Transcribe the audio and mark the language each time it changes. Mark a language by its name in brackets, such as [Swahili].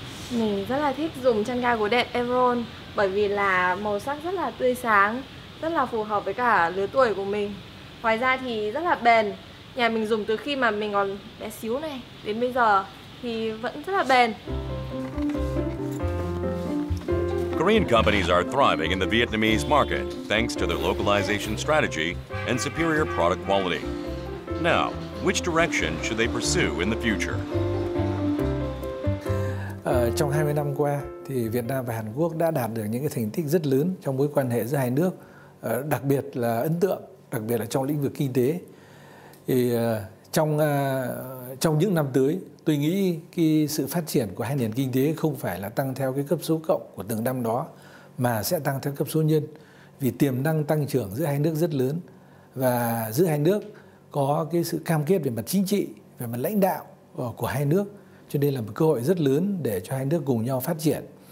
[Vietnamese] Mình rất là thích dùng chăn ga gối đẹp Everon bởi vì là màu sắc rất là tươi sáng, rất là phù hợp với cả lứa tuổi của mình. Ngoài ra thì rất là bền, nhà mình dùng từ khi mà mình còn bé xíu này đến bây giờ thì vẫn rất là bền. [English] Korean companies are thriving in the Vietnamese market thanks to their localization strategy and superior product quality. Now, which direction should they pursue in the future? [Vietnamese] Trong 20 năm qua thì Việt Nam và Hàn Quốc đã đạt được những cái thành tích rất lớn trong mối quan hệ giữa hai nước, đặc biệt là ấn tượng, đặc biệt là trong lĩnh vực kinh tế. Thì trong những năm tới, tôi nghĩ cái sự phát triển của hai nền kinh tế không phải là tăng theo cái cấp số cộng của từng năm đó, mà sẽ tăng theo cấp số nhân, vì tiềm năng tăng trưởng giữa hai nước rất lớn và giữa hai nước có cái sự cam kết về mặt chính trị, về mặt lãnh đạo của hai nước, cho nên là một cơ hội rất lớn để cho hai nước cùng nhau phát triển.